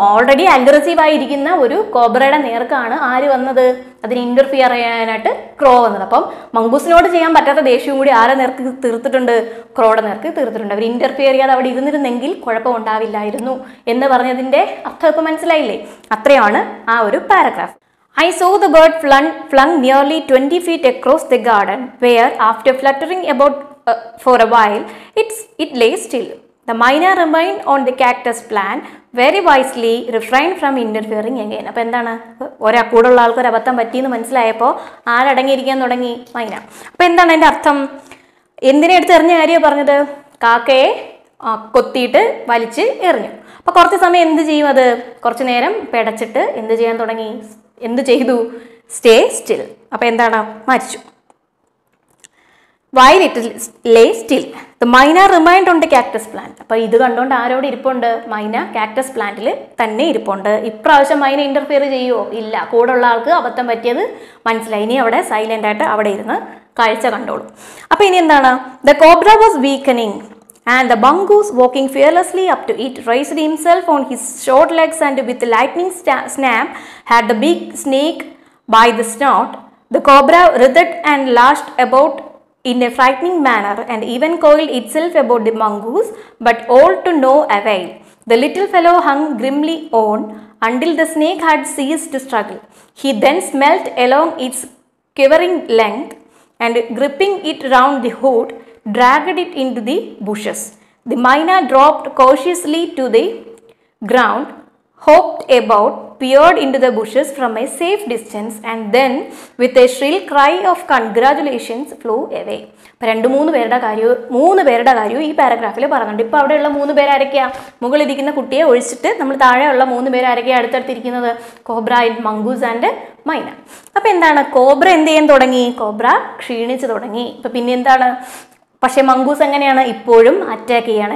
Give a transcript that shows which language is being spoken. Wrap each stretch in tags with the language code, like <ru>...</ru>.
<ml>Already aggressive ആയിരിക്കുന്ന ഒരു കോബ്രയുടെ നേർക്കാണ് ആര് വന്നത്? അതിന് ഇൻ്റർഫിയർ ചെയ്യാനായിട്ട് ക്രോ വന്നത്. അപ്പം മംഗൂസിനോട് ചെയ്യാൻ പറ്റാത്ത ദേഷ്യവും കൂടി ആരെ നേർക്ക് തീർത്തിട്ടുണ്ട്? ക്രോയുടെ നേർക്ക് തീർത്തിട്ടുണ്ട്. അവർ ഇൻ്റർഫിയർ ചെയ്യാതെ അവിടെ ഇരുന്നിരുന്നെങ്കിൽ കുഴപ്പമുണ്ടാവില്ലായിരുന്നു എന്ന് പറഞ്ഞതിൻ്റെ അർത്ഥം ഇപ്പം മനസ്സിലായില്ലേ? അത്രയാണ് ആ ഒരു paragraph.</ml> <en>I saw the bird flung nearly 20 feet across the garden where after fluttering about for a while it lay still. The myna remained on the cactus plant very wisely refrained from interfering again.</en> <ml>അപ്പോൾ എന്താണ് ഒരു കൂടുള്ള ആൾക്ക് ഒരു അബദ്ധം പറ്റി എന്ന് മനസ്സിലായപ്പോൾ ആരടങ്ങിയിരിക്കാൻ തുടങ്ങി? മൈന. അപ്പോൾ എന്താണ് അതിൻ്റെ അർത്ഥം? എന്തിനെടുത്ത് എറിഞ്ഞ കാര്യമാണ് പറഞ്ഞത്? കാക്കയെ കൊത്തിയിട്ട് വലിച്ച് എറിഞ്ഞു. അപ്പോൾ കുറച്ച് സമയം എന്ത് ചെയ്യും? അത് കുറച്ച് നേരം പിടച്ചിട്ട് എന്ത് ചെയ്യാൻ തുടങ്ങി? എന്ത് ചെയ്തു?</ml> <en>Stay still.</en> <ml>അപ്പോൾ എന്താണ് മരിച്ചു.</ml> <en>While it lay still the myna remained ഉണ്ട് cactus plant.</en> <ml>അപ്പോൾ ഇത് കണ്ടുകൊണ്ട് ആരോട് ഇരിപ്പുണ്ട്? മൈന കാക്ടസ് പ്ലാന്റിൽ തന്നെ ഇരിപ്പുണ്ട്. ഇപ്രാവശ്യം മൈന ഇൻ്റർഫിയർ ചെയ്യുമോ? ഇല്ല. കൂടെയുള്ള ആൾക്ക് അബദ്ധം പറ്റിയത് മനസ്സിലായി. ഇനി അവിടെ സൈലൻ്റായിട്ട് അവിടെ ഇരുന്ന് കാഴ്ച കണ്ടോളൂ. അപ്പോൾ ഇനി എന്താണ്?</ml> <en>The cobra was weakening and the mongoose walking fearlessly up to it raised himself on his short legs and with lightning snap had the big snake by the snout. The cobra writhed and lashed about in a frightening manner and even coiled itself about the mongoose but all to no avail. The little fellow hung grimly on until the snake had ceased to struggle. He then smelt along its quivering length and gripping it round the hood dragged it into the bushes. The myna dropped cautiously to the ground, hopped about peered into the bushes from a safe distance and then with a shrill cry of congratulations flew away.</en> <ml>രണ്ട് മൂന്ന് പേരുടെ കാര്യവും ഈ പാരഗ്രാഫിൽ പറഞ്ഞിട്ടുണ്ട്. ഇപ്പൊ അവിടെയുള്ള മൂന്ന് പേരാരൊക്കെയാ? മുകളിൽ ഇരിക്കുന്ന കുട്ടിയെ ഒഴിച്ചിട്ട് നമ്മൾ താഴെയുള്ള മൂന്ന് പേരാരൊക്കെയാ അടുത്തടുത്തിരിക്കുന്നത്? കോബ്ര, മംഗൂസ് ആൻഡ് മൈന. അപ്പൊ എന്താണ്, കോബ്ര എന്ത് ചെയ്യാൻ തുടങ്ങി? കോബ്ര ക്ഷീണിച്ചു തുടങ്ങി. ഇപ്പൊ പിന്നെന്താണ്, പക്ഷെ മംഗൂസ് എങ്ങനെയാണ്, ഇപ്പോഴും അറ്റാക്ക് ചെയ്യാണ്.</ml>